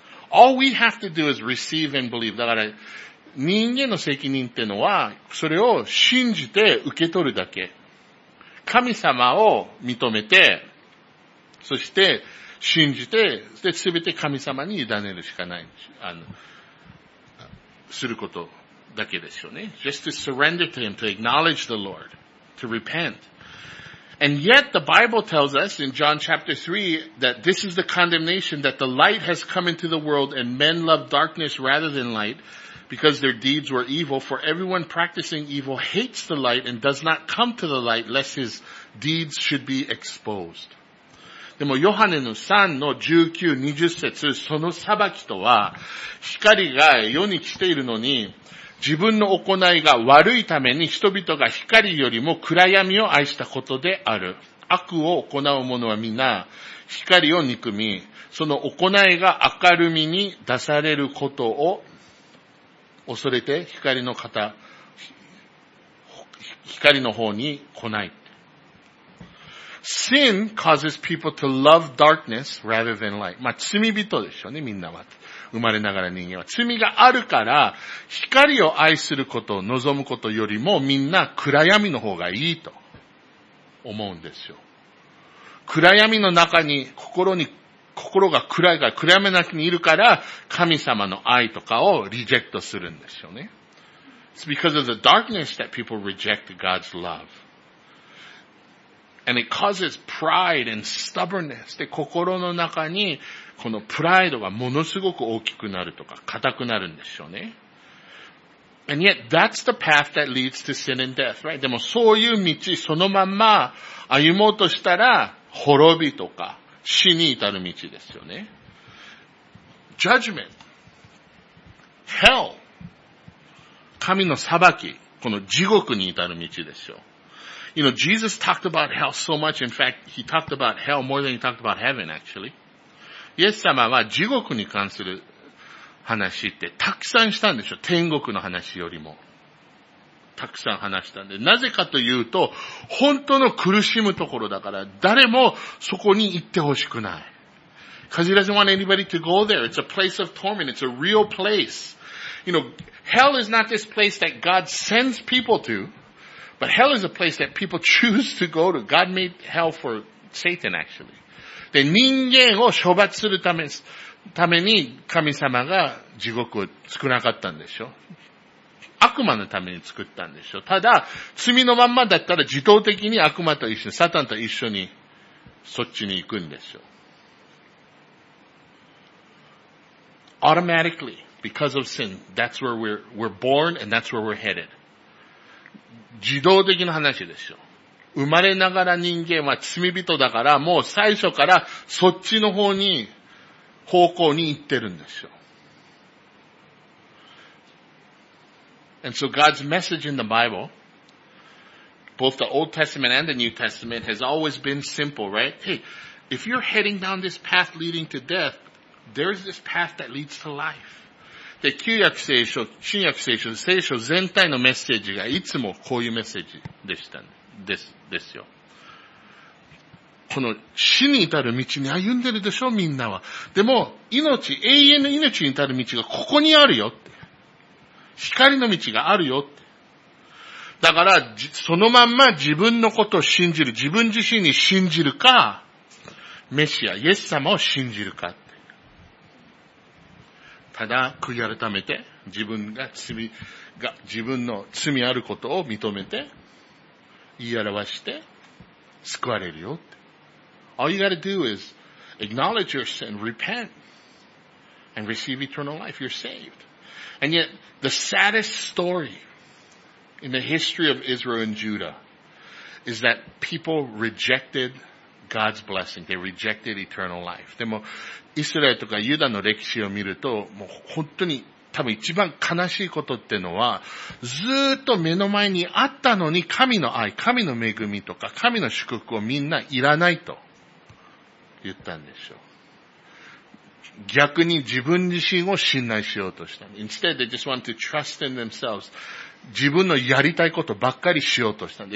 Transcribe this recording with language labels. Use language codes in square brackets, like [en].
[en] All we have to do is receive and believe. [ja] だから、人間の責任ってのは、それを信じて受け取るだけ。神様を認めて、そして信じて、で、すべて神様に委ねるしかない、することだけですよね。 [en] Just to surrender to Him, to acknowledge the Lord, to repent. And yet the Bible tells us in John chapter 3 that this is the condemnation, that the light has come into the world and men love darkness rather than light, because their deeds were evil, for everyone practicing evil hates the light and does not come to the light, lest his deeds should be exposed. [ja] でも、ヨハネの3の19、20節、その裁きとは、光が世に来ているのに、自分の行いが悪いために人々が光よりも暗闇を愛したことである。悪を行う者は皆、光を憎み、その行いが明るみに出されることを恐れて光の方、光の方に来ない。 [en] Sin causes people to love darkness rather than light. [ja] まあ、罪人でしょうね、みんなは。生まれながら人間は。罪があるから、光を愛することを望むことよりも、みんな暗闇の方がいいと思うんですよ。暗闇の中に、心が暗いから、暗闇の中にいるから、神様の愛とかをリジェクトするんですよね。 [en] It's because of the darkness that people reject God's love. And it causes pride and stubbornness. [ja] で、心の中に、このプライドがものすごく大きくなるとか、硬くなるんでしょうね。 [en] And yet, that's the path that leads to sin and death, right? [ja] でも、そういう道、そのまま歩もうとしたら、滅びとか、死に至る道ですよね。 [en] Judgment. Hell. [ja] 神の裁き、この地獄に至る道ですよ。 [en] You know, Jesus talked about hell so much. In fact, he talked about hell more than he talked about heaven, actually. [ja] イエス様は地獄に関する話ってたくさんしたんでしょ。天国の話よりも。たくさん話したんで。なぜかというと、本当の苦しむところだから、誰もそこに行ってほしくない。 [en] Because he doesn't want anybody to go there. It's a place of torment. It's a real place. You know, hell is not this place that God sends people to, but hell is a place that people choose to go to. God made hell for Satan, actually. [ja] で、人間を処罰するために神様が地獄を作らなかったんでしょ。悪魔のために作ったんでしょ。ただ、罪のまんまだったら自動的に悪魔と一緒に、サタンと一緒にそっちに行くんでしょ。 [en] Automatically, because of sin, that's where we're born and that's where we're headed. [ja] 自動的な話でしょ。生まれながら人間は罪人だから、もう最初からそっちの方向に行ってるんですよ。 [en] And so God's message in the Bible, both the Old Testament and the New Testament, has always been simple, right? Hey, if you're heading down this path leading to death, there's this path that leads to life. [ja] で、旧約聖書、新約聖書、聖書全体のメッセージがいつもこういうメッセージでした、ね。ですよ。この死に至る道に歩んでるでしょ、みんなは。でも、命、永遠の命に至る道がここにあるよって。光の道があるよって。だから、そのまんま自分のことを信じる、自分自身に信じるか、メシア、イエス様を信じるかって。ただ、悔い改めて、自分の罪あることを認めて、言い表して救われるよって。 [en] All you gotta do is acknowledge your sin, repent, and receive eternal life. You're saved. And yet, the saddest story in the history of Israel and Judah is that people rejected God's blessing. They rejected eternal life. [ja] でも、イスラエルとかユダの歴史を見ると、もう本当に多分一番悲しいことっていうのは、ずーっと目の前にあったのに神の愛、神の恵みとか神の祝福をみんないらないと言ったんでしょう。逆に自分自身を信頼しようとした。 [en] Instead, they just wanted to trust in themselves. [ja] 自分のやりたいことばっかりしようとした。